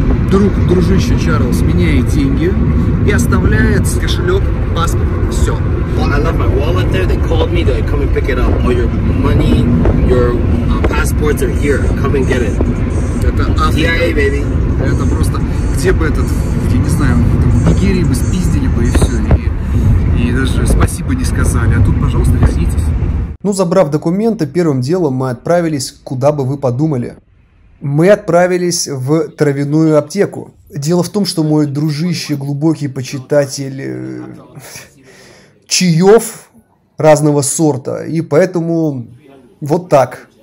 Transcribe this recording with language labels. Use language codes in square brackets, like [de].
[ru] Друг, дружище Чарльз, меняет деньги и оставляет кошелек, паспорт, все. [en] I left my wallet there, they called me to come and pick it up. All your money, your passports are here, come and get it. [ru] Это Африка. [en] CIA, baby. [ru] Это просто, где бы этот, я не знаю, в Нигерии бы спиздили бы и все. И даже спасибо не сказали, а тут, пожалуйста, вернитесь. Ну, забрав документы, первым делом мы отправились, куда бы вы подумали. Мы отправились в травяную аптеку. Дело в том, что мой дружище, глубокий почитатель чаев разного сорта, и поэтому вот так.